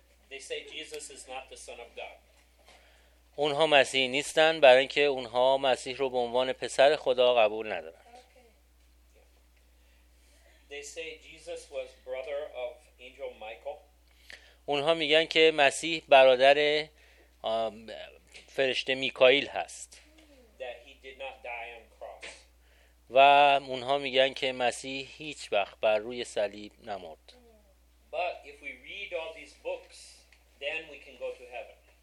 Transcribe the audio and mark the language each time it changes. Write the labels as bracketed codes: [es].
[en] They say Jesus is not the son of God. [fa] اونها مسیحی نیستن برای اینکه اونها مسیح رو به عنوان پسر خدا قبول ندارن. [en] They say Jesus was brother of angel Michael. [fa] اونها میگن که مسیح برادر فرشته میکائیل هست. [en] That he did not die on cross. [fa] و اونها میگن که مسیح هیچ وقت بر روی صلیب نمرد. [en] But if we read all these books, then we can go to heaven.